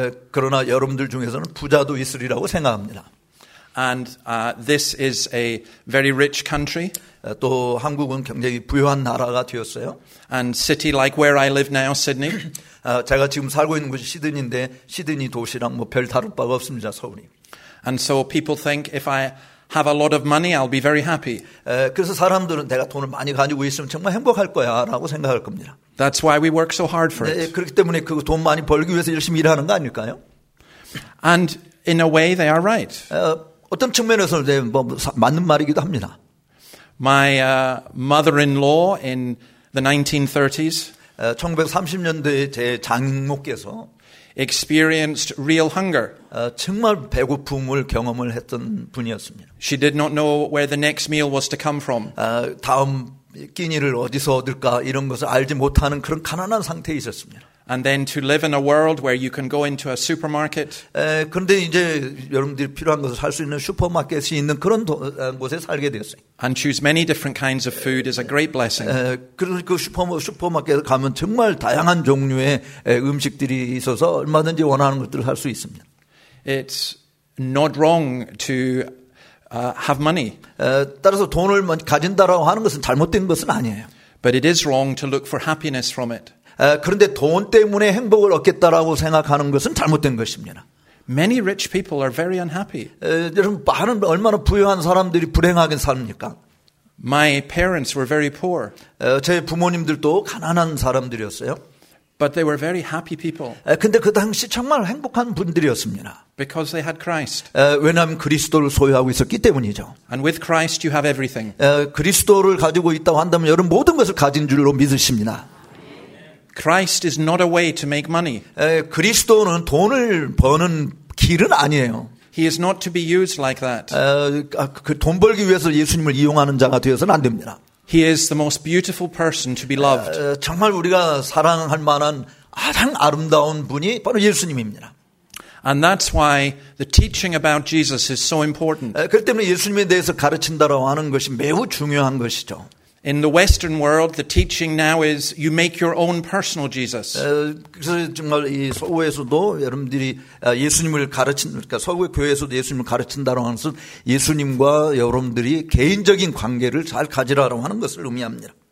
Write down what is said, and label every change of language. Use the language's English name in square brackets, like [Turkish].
[Korean] 그러나 여러분들 중에서는 부자도 있으리라고 생각합니다. [English] And this is a very rich country. [Korean] 또 한국은 굉장히 부유한 나라가 되었어요. [English] And city like where I live now, Sydney. [Korean] 제가 지금 살고 있는 곳이 시드니인데 시드니 도시랑 뭐 별 다를 바가 없습니다, 서울이. [English] And so people think if I have a lot of money, I'll be very happy. [Korean] 그래서 사람들은 내가 돈을 많이 가지고 있으면 정말 행복할 거야라고 생각할 겁니다. [English] That's why we work so hard for it. [Korean] 그렇기 때문에 그 돈 많이 벌기 위해서 열심히 일하는 거 아닐까요? [English] And in a way, they are right. [Korean] 어떤 측면에서는 뭐 맞는 말이기도 합니다. [English] My mother-in-law in the 1930s [Korean] 1930년대에 제 장모께서 [English] experienced real hunger. [Korean] 정말 배고픔을 경험을 했던 분이었습니다. [English] She did not know where the next meal was to come from. [Korean] 다음 끼니를 어디서 얻을까 이런 것을 알지 못하는 그런 가난한 상태에 있었습니다. [English] And then to live in a world where you can go into a supermarket. [Korean] 그런데 이제 여러분들이 필요한 것을 살 수 있는 슈퍼마켓이 있는 그런 곳에 살게 되었어요. [English] And choose many different kinds of food is a great blessing. [Korean] 그 슈퍼마켓 가면 정말 다양한 종류의 음식들이 있어서 얼마든지 원하는 것들을 살 수 있습니다. [English] It's not wrong to have money. [Korean] 따라서 돈을 가진다라고 하는 것은 잘못된 것은 아니에요. [English] But it is wrong to look for happiness from it. [Korean] 그런데 돈 때문에 행복을 얻겠다라고 생각하는 것은 잘못된 것입니다. [English] Many rich people are very unhappy. [Korean] 여러분 많은 얼마나 부유한 사람들이 불행하게 삽니까? [English] My parents were very poor. [Korean] 제 부모님들도 가난한 사람들이었어요. [English] But they were very happy people. [Korean] 근데 그 당시 정말 행복한 분들이었습니다. [English] Because they had Christ. [Korean] 왜냐하면 그리스도를 소유하고 있었기 때문이죠. [English] And with Christ, you have everything. [Korean] 그리스도를 가지고 있다고 한다면 여러분 모든 것을 가진 줄로 믿으십니다. [English] Christ is not a way to make money. [Korean] 그리스도는 돈을 버는 길은 아니에요. [English] He is not to be used like that. [Korean] 돈 벌기 위해서 예수님을 이용하는 자가 되어서는 안 됩니다. [English] He is the most beautiful person to be loved. [Korean] 정말 우리가 사랑할 만한 가장 아름다운 분이 바로 예수님입니다. [English] And that's why the teaching about Jesus is so important. [Korean] 그 때문에 예수님에 대해서 가르친다라고 하는 것이 매우 중요한 것이죠. [English] In the Western world, the teaching now is you make your own personal Jesus. [Korean] 그래서 정말 이 서구에서도 여러분들이 예수님을 가르친 그러니까 서구의 교회에서도 예수님을 가르친다고 하는 것은 예수님과 여러분들이 개인적인 관계를 잘 가지라고 하는 것을 의미합니다.